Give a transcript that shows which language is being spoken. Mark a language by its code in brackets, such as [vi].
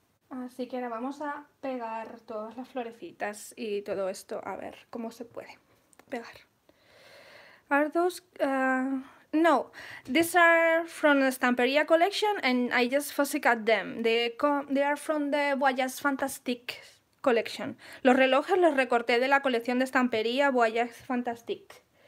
[es] Así que ahora vamos a pegar todas las florecitas y todo esto, a ver cómo se puede pegar. [en] Are those, no, these are from the Stamperia collection and I just fussy cut them. They are from the Voyage Fantastic collection. [es] Los relojes los recorté de la colección de Stamperia Voyage Fantastic.